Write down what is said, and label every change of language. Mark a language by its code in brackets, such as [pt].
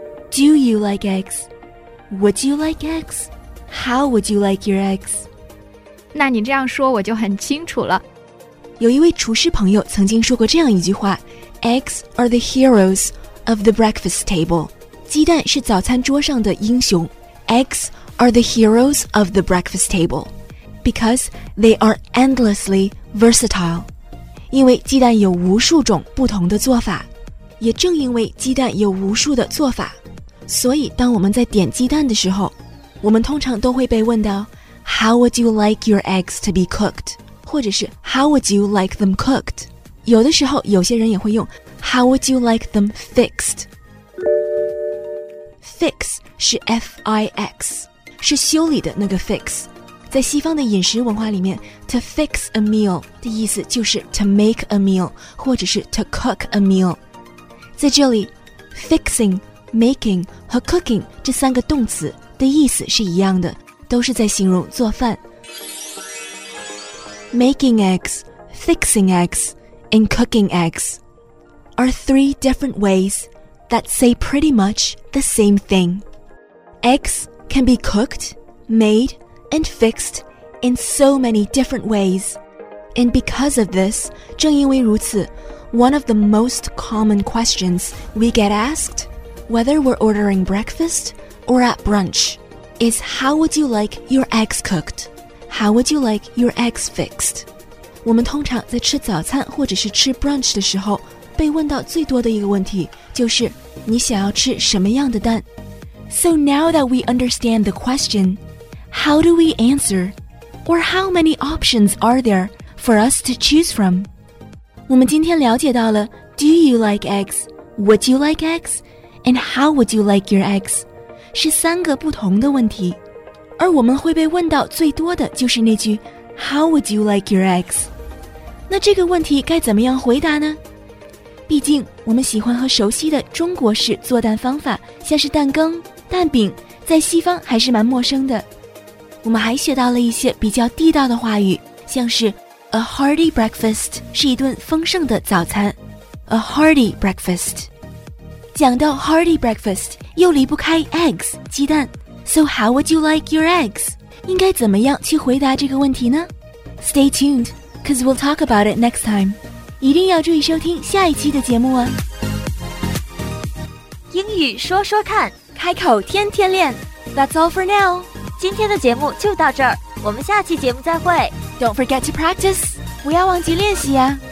[en] Do you like eggs? Would you like eggs? How would you like your eggs? [zh] 那你这样说我就很清楚了。有一位厨师朋友曾经说过这样一句话 [en] Eggs are the heroes of the breakfast table. [zh] 鸡蛋是早餐桌上的英雄。 [en] Eggs are the heroes of the breakfast table. Because they are endlessly versatile. [zh] 因为鸡蛋有无数种不同的做法。也正因为鸡蛋有无数的做法。所以当我们在点鸡蛋的时候我们通常都会被问到 [en] How would you like your eggs to be cooked? [zh] 或者是 [en] How would you like them cooked? [zh] 有的时候有些人也会用 [en] How would you like them fixed? [zh] Fix 是 F-I-X 是修理的那个 fix 在西方的饮食文化里面 [en] To fix a meal [zh] 的意思就是 [en] To make a meal [zh] 或者是 [en] To cook a meal [zh] 在这里 FixingMaking 和 cooking 这三个动词的意思是一样的，都是在形容做饭。 [en] Making eggs, fixing eggs, and cooking eggs are three different ways that say pretty much the same thing. Eggs can be cooked, made, and fixed in so many different ways. And because of this, [zh] 正因为如此, [en] one of the most common questions we get asked whether we're ordering breakfast or at brunch, is how would you like your eggs cooked? How would you like your eggs fixed? [zh] 我们通常在吃早餐或者是吃 brunch 的时候被问到最多的一个问题就是你想要吃什么样的蛋 [en] So now that we understand the question, how do we answer? Or how many options are there for us to choose from? [zh] 我们今天了解到了 [en] Do you like eggs? [zh] Would you like eggs? [en] And how would you like your eggs? [zh] 是三个不同的问题而我们会被问到最多的就是那句 [en] How would you like your eggs? [zh] 那这个问题该怎么样回答呢？毕竟我们喜欢和熟悉的中国式做蛋方法像是蛋羹蛋饼在西方还是蛮陌生的我们还学到了一些比较地道的话语像是 A hearty breakfast 是一顿丰盛的早餐 A hearty breakfast 讲到 hearty breakfast 又离不开 eggs 鸡蛋 [en] So how would you like your eggs? [zh] 应该怎么样去回答这个问题呢 [en] Stay tuned because we'll talk about it next time [zh] 一定要注意收听下一期的节目哦。英语说说看，开口天天练。 [en] That's all for now。 [zh] 今天的节目就到这儿，我们下期节目再会。 [en] Don't forget to practice， [zh] 不要忘记练习啊。